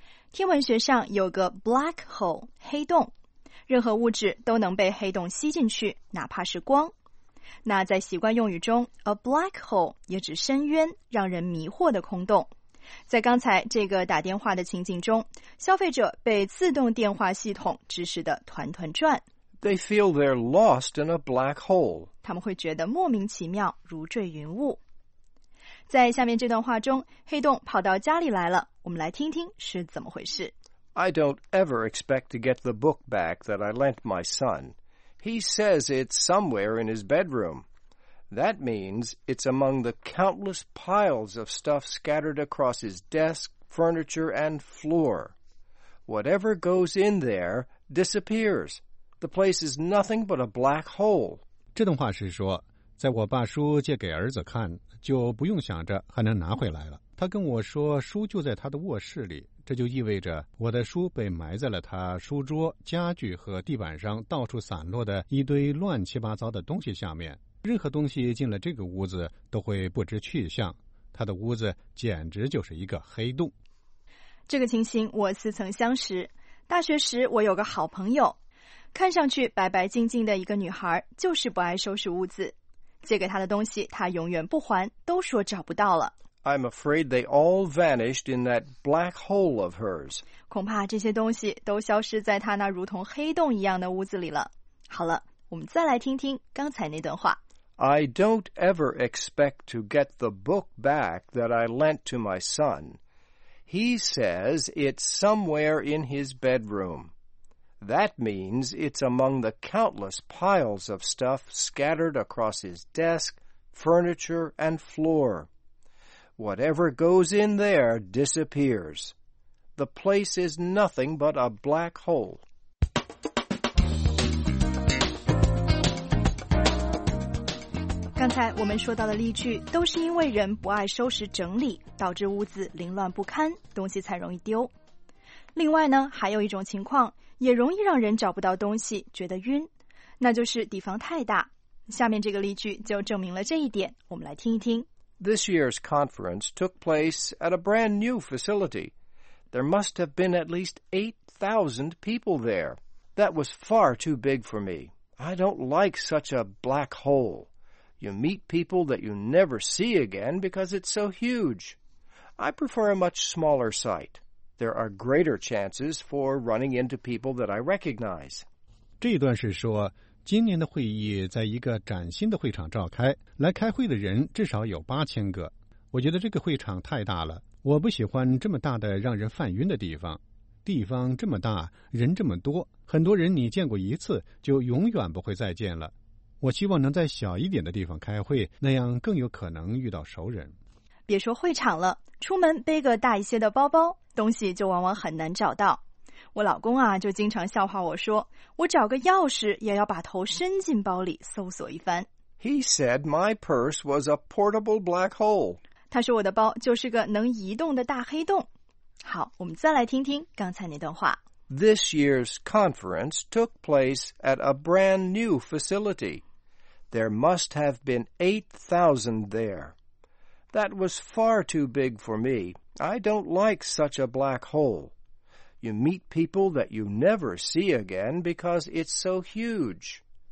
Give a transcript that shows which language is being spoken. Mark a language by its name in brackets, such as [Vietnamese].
[Chinese] 天文学上有个 black hole, 黑洞，任何物质都能被黑洞吸进去，哪怕是光。那在习惯用语中 A black hole 也指深渊，让人迷惑的空洞。在刚才这个打电话的情景中，消费者被自动电话系统指使得团团转。 [English] They feel they're lost in a black hole. [Chinese] 他们会觉得莫名其妙，如坠云雾。在下面这段话中，黑洞跑到家里来了，我们来听听是怎么回事。 [English] I don't ever expect to get the book back that I lent my son. He says it's somewhere in his bedroom. That means it's among the countless piles of stuff scattered across his desk, furniture, and floor. Whatever goes in there disappears. The place is nothing but a black hole. [Chinese] 这段话是说，在我把书借给儿子看，就不用想着还能拿回来了。他跟我说书就在他的卧室里，这就意味着我的书被埋在了他书桌、家具和地板上到处散落的一堆乱七八糟的东西下面。任何东西进了这个屋子都会不知去向，他的屋子简直就是一个黑洞。这个情形我似曾相识，大学时我有个好朋友，看上去白白净净的一个女孩，就是不爱收拾屋子，借给她的东西她永远不还，都说找不到了。 [English] I'm afraid they all vanished in that black hole of hers. [Chinese] 恐怕这些东西都消失在她那如同黑洞一样的屋子里了。好了，我们再来听听刚才那段话。 I don't ever expect to get the book back that I lent to my son. He says it's somewhere in his bedroom. That means it's among the countless piles of stuff scattered across his desk, furniture, and floor. Whatever goes in there disappears. The place is nothing but a black hole. 刚才我们说到的例句都是因为人不爱收拾整理，导致屋子凌乱不堪，东西才容易丢。另外呢，还有一种情况也容易让人找不到东西，觉得晕，那就是底房太大。下面这个例句就证明了这一点，我们来听一听。 [English] This year's conference took place at a brand new facility. There must have been at least 8,000 people there. That was far too big for me. I don't like such a black hole. You meet people that you never see again because it's so huge. I prefer a much smaller site. There are greater chances for running into people that I recognize. [Chinese] 这段是说，今年的会议在一个崭新的会场召开，来开会的人至少有8000个。我觉得这个会场太大了，我不喜欢这么大的让人犯晕的地方。地方这么大，人这么多，很多人你见过一次就永远不会再见了。我希望能在小一点的地方开会，那样更有可能遇到熟人。别说会场了，出门背个大一些的包包，东西就往往很难找到。我老公啊，就经常笑话我说，我找个钥匙也要把头伸进包里搜索一番。 [English] He said my purse was a portable black hole. [Chinese] 他说我的包就是个能移动的大黑洞。好，我们再来听听刚才那段话。 [English] This year's conference took place at a brand new facility. There must have been 8,000 there. That was far too big for me. I don't like such a black hole. You meet people that you never see again because it's so huge.